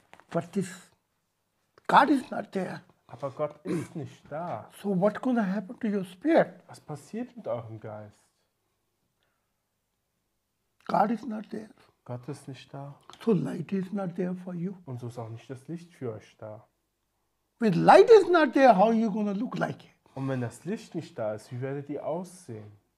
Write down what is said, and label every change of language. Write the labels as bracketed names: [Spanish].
[English] But this God is not there. [German] Aber Gott ist nicht da. [English] So what gonna happen to your spirit? [German] Was passiert mit eurem Geist? [English] God is not there. [German] Gott ist nicht da. [English] So light is not there for you. [German] Und so ist auch nicht das Licht für euch da. [English] With light is not there, how you gonna look like it? [German] Und wenn das Licht nicht da ist, wie werdet ihr aussehen?